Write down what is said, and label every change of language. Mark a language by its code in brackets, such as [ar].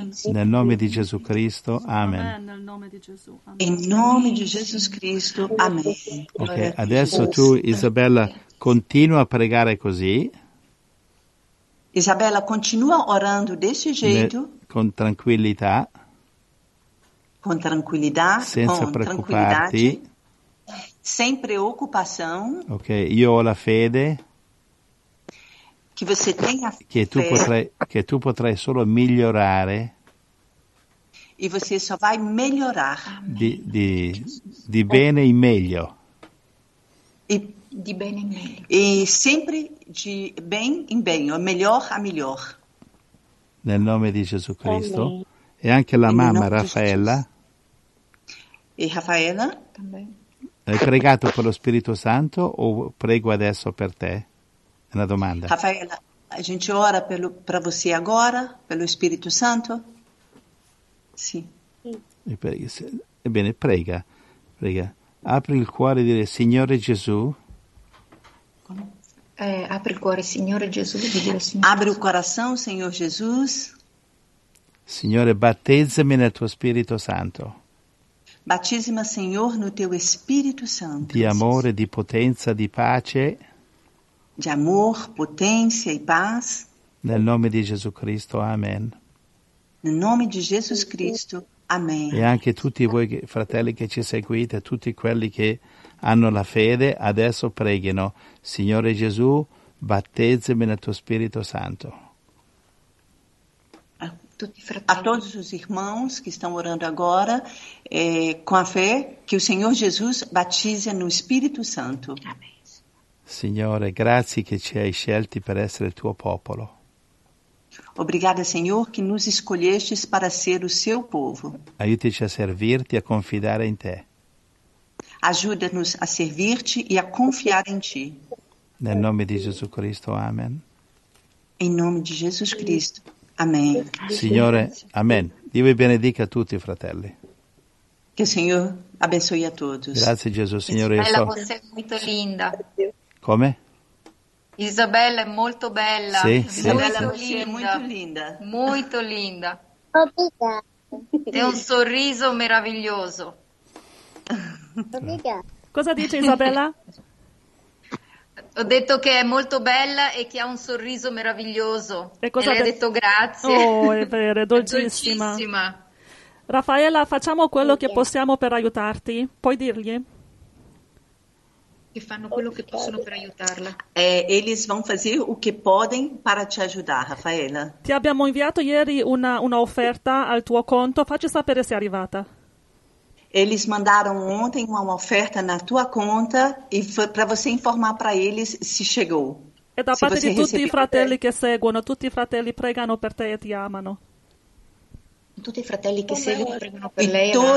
[it] Nel nome di Gesù Cristo, amen. Amen. Nel nome di Gesù. [pt] Em nome de Jesus Cristo, amém. [it] Ok, adesso tu, Isabella, continua a pregare così. [pt] Isabela, continua orando desse jeito, [it] Con tranquillità, [pt] com tranquilidade, [it] senza preoccuparti, [pt] sem preocupação. [it] Ok, io ho la fede. Che [pt] você tenha [it] che tu fede. Potrai, che tu potrai solo migliorare. [pt] E você só vai melhorar. [it] Di bene in meglio. Di bene in meglio. E sempre di ben in meglio, miglior a miglior. Nel nome di Gesù Cristo. Amen. E anche la mamma Raffaella. E Raffaella? Hai pregato per lo Spirito Santo o prego adesso per te? È una domanda. [pt] Raffaella, a gente ora per você agora, pelo Spirito Santo? [it] Sì. Ebbene, prega. Prega. Apri il cuore e dire Signore Gesù. Apri il cuore, Signore Gesù. Apri il cuore, Signore Gesù. Signore, battezzami nel tuo Spirito Santo. Battesima, Signore, nel tuo Spirito Santo. Di amore, di potenza, di pace. Di amore, potenza e pace. Nel nome di Gesù Cristo, amen. Nel nome di Gesù Cristo, amen. E anche tutti voi, fratelli che ci seguite, tutti quelli che hanno la fede, adesso preghino. Signore Gesù, battezzami nel tuo Spirito Santo. [pt] A todos os irmãos que estão orando agora, com a fé, que o Senhor Jesus batize no Espírito Santo. Amém. [it] Signore, grazie che ci hai scelti per essere il tuo popolo. [pt] Obrigada, Senhor, que nos escolhestes para ser o seu povo. [it] Aiutaci [pt] a servir-te e a confidar em te. Ajuda-nos a servir-te e a confiar em ti. [it] Nel nome di Gesù Cristo, amen. [pt] Em nome de Jesus Cristo. Amém. [it] Signore, amen. Dio vi benedica a tutti, fratelli. Che il Signore [pt] abençoe a todos. [it] Grazie, Gesù, Signore. Isabella, io so... [pt] você [it] è molto linda. Come? Isabella è molto bella. Sì, Isabella sì. Linda. Molto linda. Molto linda. [pt] Obrigada. [it] È un sorriso meraviglioso. [pt] Obrigada. [it] Cosa dice Isabella? Ho detto che è molto bella e che ha un sorriso meraviglioso. E cosa ha detto? Grazie. Oh, è vero, è dolcissima. È dolcissima. Raffaella, facciamo quello che possiamo per aiutarti. Puoi dirgli? Che fanno quello che possono per aiutarla. [pt] Eles vão fazer o que podem para te ajudar, Raffaella. [it] Ti abbiamo inviato ieri una offerta al tuo conto. Facci sapere se è arrivata. [pt] Eles mandaram ontem uma oferta na tua conta e foi para você informar para eles se chegou. [it] É da parte de tutti i fratelli che seguono, tutti i fratelli pregano per te e ti amano. Tutti i fratelli che seguono pregano per lei.